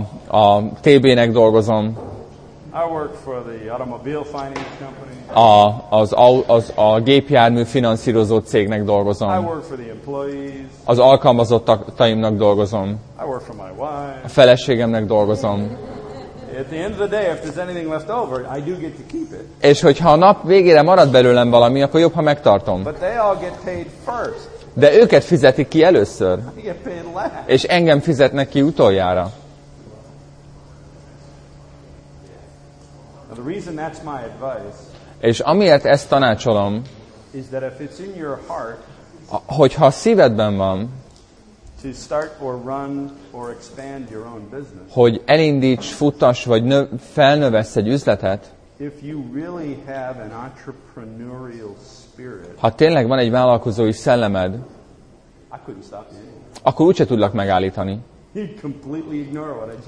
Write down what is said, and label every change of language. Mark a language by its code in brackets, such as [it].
[hu] A TB-nek dolgozom. [en] I work for the automobile finance company. [hu] A gépjármű finanszírozó cégnek dolgozom. [en] I work for the employees. [hu] Az alkalmazottaimnak dolgozom. [en] I work for my wife. [hu] A feleségemnek dolgozom. [en] At the end of the day, if there's anything left over, I do get to keep it. [hu] És hogyha a nap végére marad belőlem valami, akkor jobb, ha megtartom. [en] But they all get paid first. [hu] De őket fizetik ki először. [en] I get paid last. [hu] És engem fizetnek ki utoljára. [en] The reason that's my advice. [hu] És amiért ezt tanácsolom, [en] is that if it's in your heart, [hu] hogyha a szívedben van, [en] to start or run or expand your own business, [hu] hogy elindíts, futtass vagy felnövesz egy üzletet, [en] if you really have an entrepreneurial spirit, [hu] ha tényleg van egy vállalkozói szellemed, [en] I couldn't stop you. [hu] Akkor úgyse tudlak megállítani. [en] He'd completely ignore what I just